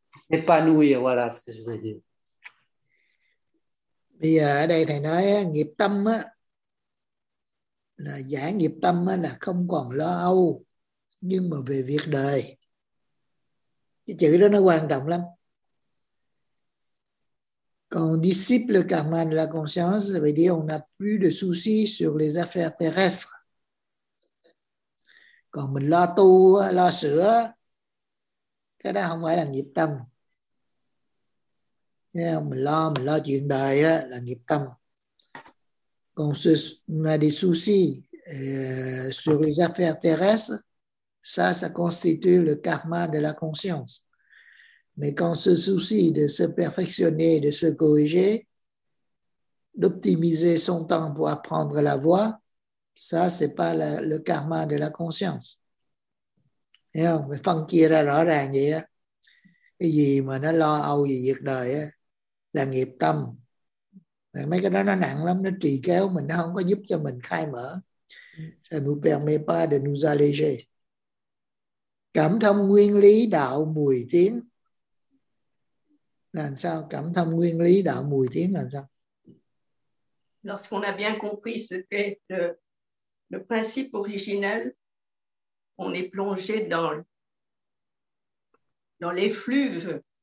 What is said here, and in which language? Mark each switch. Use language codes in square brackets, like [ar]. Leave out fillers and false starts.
[fr] Épanouir, voilà ce que je veux dire. [vi] Bây giờ ở đây thầy nói nghiệp tâm á, là giải nghiệp tâm á, là không còn lo âu, nhưng mà về việc đời. Cái chữ đó nó quan trọng lắm. [fr] Quand on dissipe le karma de la conscience, ça veut dire qu'on n'a plus de soucis sur les affaires terrestres. [vi] Quand mình lo tu, lo sửa, cái đó không phải là nghiệp tâm. Mình lo chuyện đời là nghiệp tâm. [fr] Quand on a des soucis sur les affaires terrestres, ça constitue le karma de la conscience. Mais quand ce souci de se perfectionner, de se corriger, d'optimiser son temps pour apprendre la voie, ça, ce n'est pas le karma de la conscience. Mais [vi] phân chia ra rõ ràng vậy. Cái gì mà nó lo âu về việc đời là nghiệp tâm. Mấy cái đó nó nặng lắm, nó trì kéo mình, nó không có giúp cho mình khai mở. [fr] Ça nous permet pas de nous alléger. [vi] Cảm thông nguyên lý đạo mùi tiếng. Là sao? Cảm thông nguyên lý đạo mùi tiếng là sao? [fr] Lorsqu'on a bien compris ce qu'est le principe originel, on est plongé dans l'effluve.